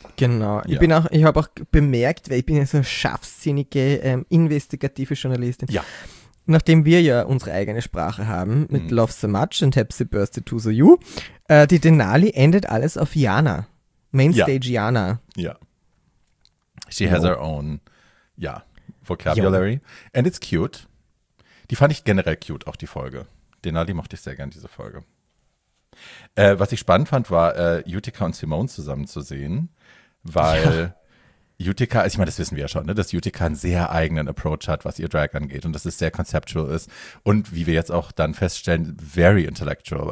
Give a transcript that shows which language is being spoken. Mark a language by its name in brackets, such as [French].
[German] Genau. Ja. Ich habe auch bemerkt, weil ich bin ja so eine scharfsinnige, investigative Journalistin. Ja. Nachdem wir ja unsere eigene Sprache haben, mit Love So Much und Hepsi Birthday to So You, die Denali endet alles auf Jana. Mainstage ja. Jana. Ja. [English] She has her own, ja, vocabulary. Ja. And it's cute. [German] Die fand ich generell cute, auch die Folge. Denali mochte ich sehr gern, diese Folge. Was ich spannend fand, war Utica und Simone zusammen zu sehen, weil ja. Utica, also ich meine, das wissen wir ja schon, ne, dass Utica einen sehr eigenen Approach hat, was ihr Drag angeht und dass es sehr conceptual ist und wie wir jetzt auch dann feststellen, [English] very intellectual.